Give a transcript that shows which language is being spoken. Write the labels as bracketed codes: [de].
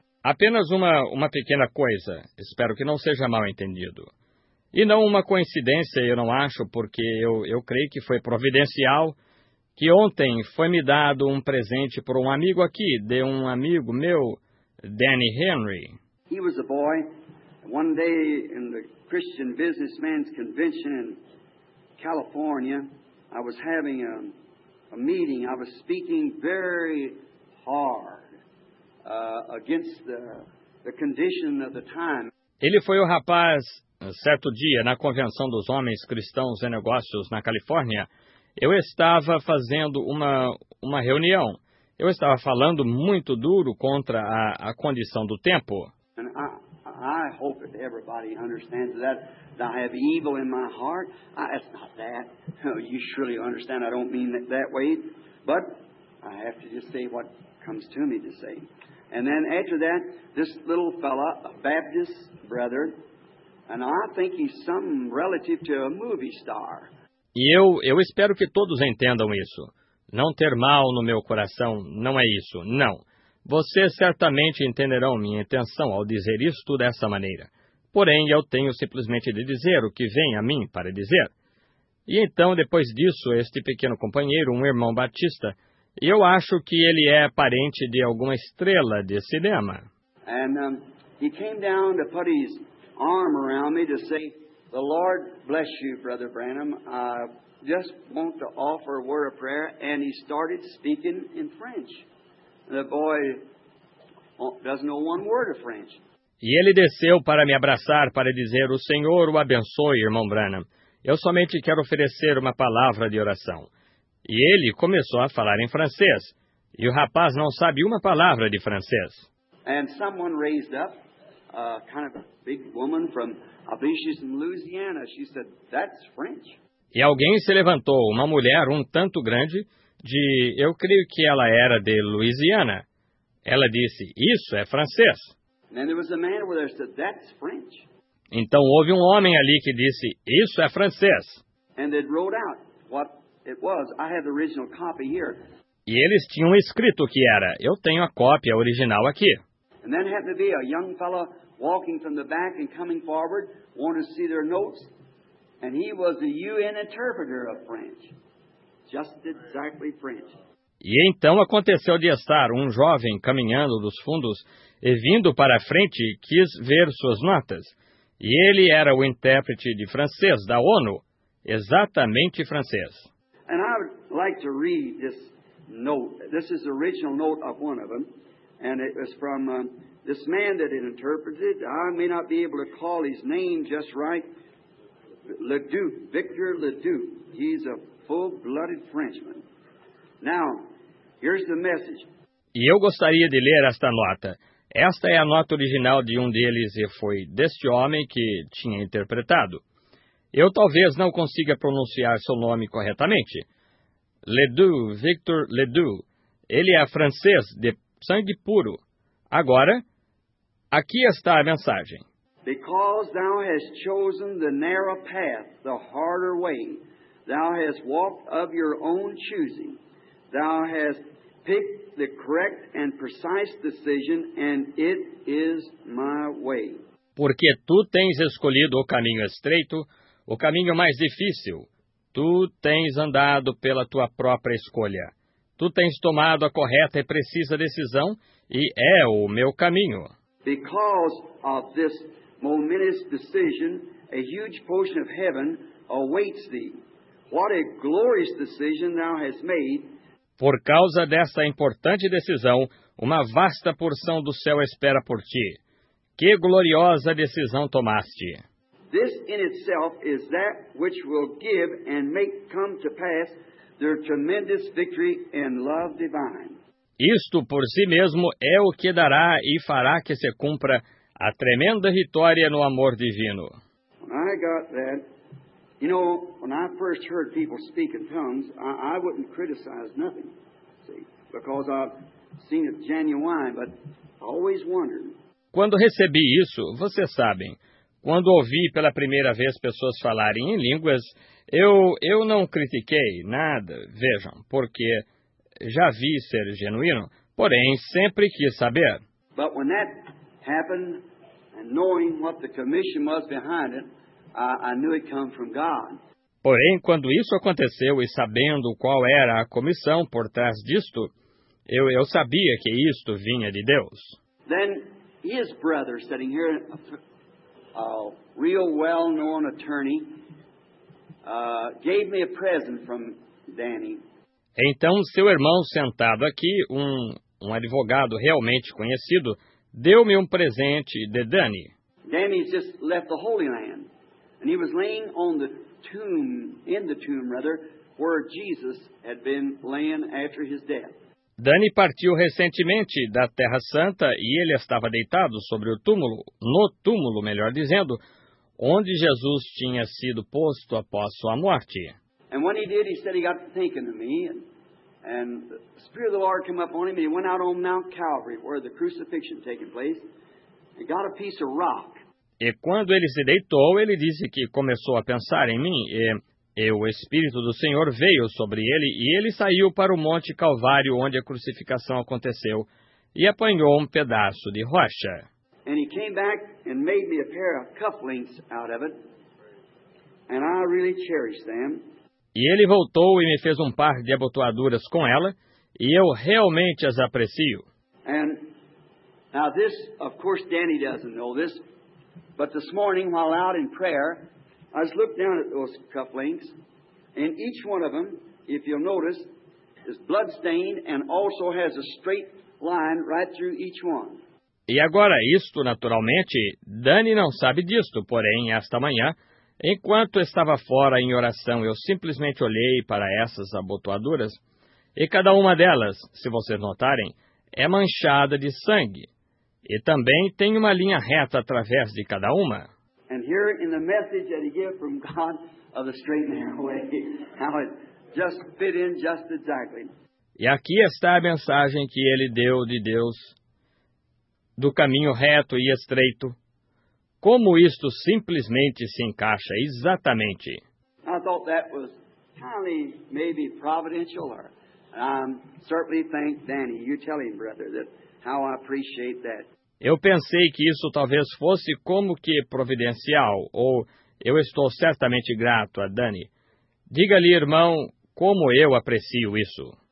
[pt] Apenas uma pequena coisa, espero que não seja mal entendido. E não uma coincidência, eu não acho, porque eu creio que foi providencial, que ontem foi-me dado um presente por um amigo aqui, de um amigo meu, Danny Henry. [en] He was a boy, one day in the Christian Businessman's Convention in California, I was having a meeting, I was speaking very hard. Against the condition of the time. [pt] Ele foi o rapaz, certo dia, na Convenção dos Homens Cristãos e Negócios na Califórnia, eu estava fazendo uma reunião. Eu estava falando muito duro contra a condição do tempo. [en] I hope that everybody understands that I have evil in my heart. It's not that. You surely understand. I don't mean it that way. But I have to just say what comes to me to say. And then after that, this little fella, a Baptist brother, and I think he's some relative to a movie star. [pt] E eu espero que todos entendam isso. Não ter mal no meu coração, não é isso, não. Vocês certamente entenderão minha intenção ao dizer isto dessa maneira. Porém, eu tenho simplesmente de dizer o que vem a mim para dizer. E então, depois disso, este pequeno companheiro, um irmão batista, eu acho que ele é parente de alguma estrela de cinema. [en] And he came down to put his arm around me to say, "The Lord bless you, Brother Branham. I just want to offer a word of prayer." And he started speaking in French. The boy doesn't know one word of French. [pt] E ele desceu para me abraçar para dizer, "O Senhor o abençoe, irmão Branham. Eu somente quero oferecer uma palavra de oração." E ele começou a falar em francês, e o rapaz não sabe uma palavra de francês. [en] And someone raised up, kind of a big woman from, I believe she's from Louisiana. She said, "That's French." [pt] E alguém se levantou, uma mulher um tanto grande, de, eu creio que ela era de Louisiana. Ela disse, "Isso é francês." [en] And there was a man over there who said, "That's French." [pt] Então houve um homem ali que disse, "Isso é francês." [en] And it wrote out what it was. I have the original copy here. [pt] E eles tinham escrito o que era. Eu tenho a cópia original aqui. [en] And then happened to be a young fellow walking from the back and coming forward, wanted to see their notes, and he was the UN interpreter of French, just exactly French. [pt] E então aconteceu de estar um jovem caminhando dos fundos e vindo para a frente quis ver suas notas, e ele era o intérprete de francês da ONU, exatamente francês. [en] And I would like to read this note. This is the original note of one of them. And it was from this man that it interpreted. I may not be able to call his name just right. Leduc, Victor Leduc. He's a full-blooded Frenchman. Now, here's the message. [pt] E eu gostaria de ler esta nota. Esta é a nota original de um deles e foi deste homem que tinha interpretado. Eu talvez não consiga pronunciar seu nome corretamente. Leduc, Victor Leduc. Ele é francês, de sangue puro. Agora, aqui está a mensagem. [en] Because thou hast chosen the narrow path, the harder way. Thou hast walked of your own choosing. Thou hast picked the correct and precise decision, and it is my way. [pt] porque tu tens escolhido o caminho estreito, o caminho mais difícil. Tu tens andado pela tua própria escolha. Tu tens tomado a correta e precisa decisão e é o meu caminho. [en] Because of this momentous decision, a huge portion of heaven awaits thee. What a glorious decision thou hast made. [pt] Por causa desta importante decisão, uma vasta porção do céu espera por ti. Que gloriosa decisão tomaste! [en] This in itself is that which will give and make come to pass their tremendous victory and love divine. [pt] Isto por si mesmo é o que dará e fará que se cumpra a tremenda vitória no amor divino. [en] When I got that, you know, when I first heard people speak in tongues, I wouldn't criticize nothing, see, because I've seen it genuine, but I always wondered. [pt] Quando recebi isso, vocês sabem, quando ouvi pela primeira vez pessoas falarem em línguas, eu não critiquei nada, vejam, porque já vi ser genuíno, porém sempre quis saber. [en] But when that happened, and knowing what the commission was behind it, I knew it came from God. [pt] Porém, quando isso aconteceu e sabendo qual era a comissão por trás disto, eu sabia que isto vinha de Deus. [en] Then his brother sitting here, a real well-known attorney, gave me a present from Danny. [pt] Então seu irmão sentado aqui, um advogado realmente conhecido, deu-me um presente de Danny. [en] Danny just left the Holy Land. And he was laying on the tomb, in the tomb rather, where Jesus had been laying after his death. [pt] Danny partiu recentemente da Terra Santa e ele estava deitado sobre o túmulo, no túmulo, melhor dizendo, onde Jesus tinha sido posto após sua morte. [en] And when he did, he said he got to thinking to me, and the Spirit of the Lord came up on him, and he went out on Mount Calvary, where the crucifixion taking place, and got a piece of rock. [pt] E quando ele se deitou, ele disse que começou a pensar em mim, e o Espírito do Senhor veio sobre ele, e ele saiu para o Monte Calvário, onde a crucificação aconteceu, e apanhou um pedaço de rocha. [en] And he came back and made me a pair of cufflinks out of it, and I really cherish them. [pt] E ele voltou e me fez um par de abotoaduras com ela, e eu realmente as aprecio. [en] And now this, of course, Danny doesn't know this. But this morning, while out in prayer, I just looked down at those cufflinks, and each one of them, if you'll notice, is blood-stained and also has a straight line right through each one. [pt] E agora isto, naturalmente, Danny não sabe disto, porém, esta manhã, enquanto estava fora em oração, eu simplesmente olhei para essas abotoaduras, e cada uma delas, se vocês notarem, é manchada de sangue. E também tem uma linha reta através de cada uma. [en] And here in the message that he gave from God of the straight and narrow way, how it just fit in just exactly. [pt] E aqui está a mensagem que ele deu de Deus, do caminho reto e estreito. Como isto simplesmente se encaixa exatamente. [en] I thought that was kind of maybe providential. Certainly thank Danny. You tell him, brother, that how I appreciate that. [pt] Eu pensei que isso talvez fosse como que providencial, ou eu estou certamente grato a Danny. Diga-lhe, irmão, como eu aprecio isso.